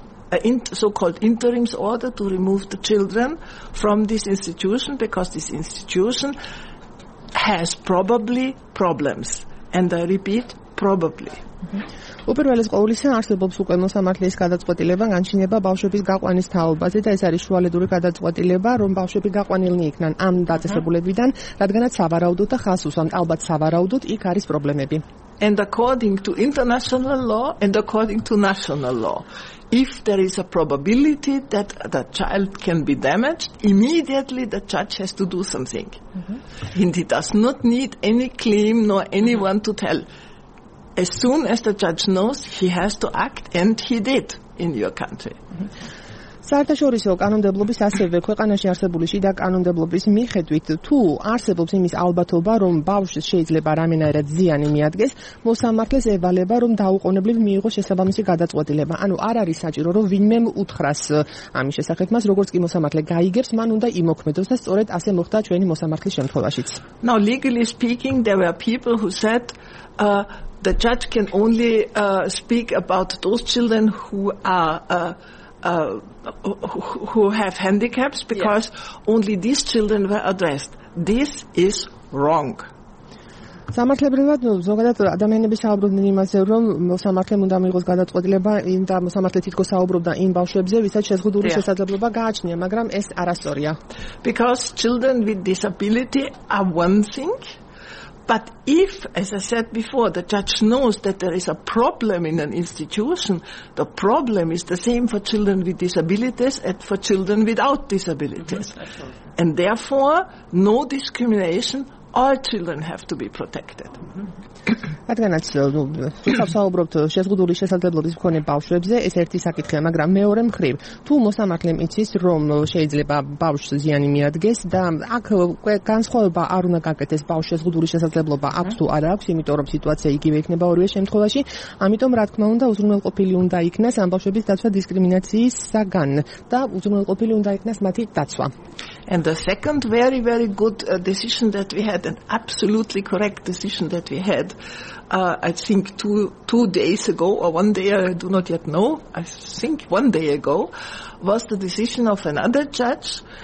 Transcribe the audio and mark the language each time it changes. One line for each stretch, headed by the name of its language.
English: So-called interim order to remove the children from this institution because this institution has probably problems. And I repeat, probably.
Georgian: უპირველეს ყოვლისა არსებობს უკვე მოსამართლის გადაწყვეტილება განჩინება ბავშვების გაყვანის თაობაზე და ეს არის შუალედური გადაწყვეტილება რომ ბავშვები გაყვანილნი იქნან ამ დაწესებულებიდან რადგანაც სავარაუდოდ და ხას უსვამთ ალბათ სავარაუდოდ იქ არის პრობლემები
English: And according to international law and according to national law, if there is a probability that the child can be damaged, immediately the judge has to do something. Mm-hmm. And he does not need any claim nor anyone mm-hmm. to tell. As soon as the judge knows, he has to act, and he did in your country. Mm-hmm.
Georgian: საერთაშორისო კანონმდებლობის ასევე ქვეყანაში არსებული შიდა კანონმდებლობის მიხედვით თუ არსებობს იმის ალბათობა რომ ბავშვს შეიძლება რამენაირად ზიანი მიადგეს მოსამართლეს ევალება რომ დაუყოვნებლივ მიიღოს შესაბამისი გადაწყვეტილება ანუ არ არის საჭირო რომ ვინმე უთხრას ამის შესახებ მას როგორც კი მოსამართლე გაიგებს მან უნდა იმოქმედოს და სწორედ ასე მოხდა ჩვენი მოსამართლის შემთხვევაშიც
English: Now legally speaking there were people who said the judge can only speak about those children who are who have handicaps because yeah. only these children were addressed. This is wrong.
Georgian: სამართლებრივად ზოგადად ადამიანები საუბრობდნენ იმაზე რომ მოსამართლემ უნდა მიიღოს გადაწყვეტილება იმ და მოსამართლე თვითონ საუბრობდა იმ ბავშვებზე ვისაც შეზღუდული შესაძლებლობა გააჩნია მაგრამ ეს არასწორია.
English: Because children with disability are one thing But if, as I said before, the judge knows that there is a problem in an institution, the problem is the same for children with disabilities as for children without disabilities. Mm-hmm. And therefore, no discrimination, all children have to be protected.
Georgian: რადგანაც საუბრობთ შეზღუდული შესაძლებლობის მქონე ბავშვებზე, ეს ერთი საკითხია, მაგრამ მეორე მხრივ, თუ მოსამართლემ იცის, რომ შეიძლება ბავშვს ზიანი მიადგეს და აქ განსხვავება არ უნდა გაკეთდეს ბავშვს შეზღუდული შესაძლებლობა აქვს თუ არ აქვს, იმიტომ რომ სიტუაცია იგივე იქნება ორივე შემთხვევაში, ამიტომ რა თქმა უნდა უზრუნველყოფილი უნდა იქნას ამ ბავშვების დაცვა დისკრიმინაციისგან და უზრუნველყოფილი უნდა იქნას მათი დაცვა.
English: And the second very very good decision that we had an absolutely correct decision that we had I think two days ago or one day I do not yet know I think one day ago was the decision of another judge